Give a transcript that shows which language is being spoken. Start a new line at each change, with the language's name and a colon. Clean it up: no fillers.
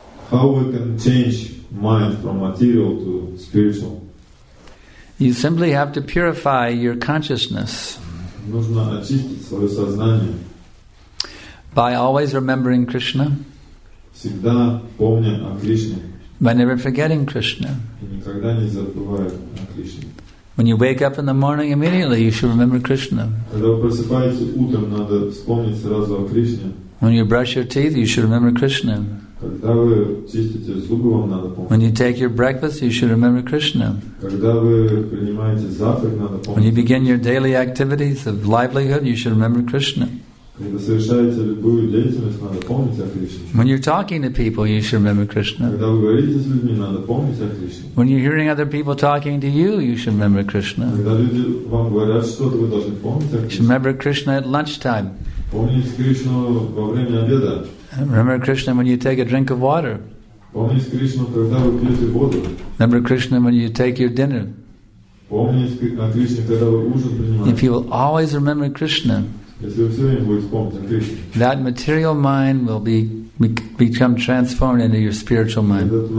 English: How we can change mind from material to spiritual? You simply have to purify your consciousness.
Russian: Нужно очистить свое сознание.
English: By always remembering Krishna.
Russian: Всегда помня о Кришне.
English: By never forgetting Krishna.
Russian: Никогда не забывая о Кришне.
English: When you wake up in the morning, immediately you should remember Krishna.
Russian: Когда вы просыпаетесь утром, надо вспомнить сразу о Кришне.
English: When you brush your teeth, you should remember Krishna.
Russian: Когда вы чистите зубы, вам надо помнить.
English: When you take your breakfast, you should remember Krishna.
Russian: Когда вы принимаете завтрак, надо помнить.
English: When you begin your daily activities of livelihood, you should remember Krishna.
Russian: Когда вы совершаете любую деятельность, надо помнить о Кришне.
English: When you're talking to people, you should remember Krishna.
Russian: Когда вы говорите с людьми, надо помнить о Кришне.
English: When you're hearing other people talking to you, you should remember Krishna.
Russian: Когда люди вам говорят что-то, вы должны помнить о Кришне.
English: You should remember Krishna at lunchtime.
Russian: Помните Кришну во время обеда.
English: Remember Krishna when you take a drink of water.
Russian: Помните Кришну, когда вы пьете воду.
English: Remember Krishna when you take your dinner.
Russian: Помните Кришну, когда вы ужин принимаете.
English: If you will always remember Krishna, that material mind will become transformed into your spiritual mind.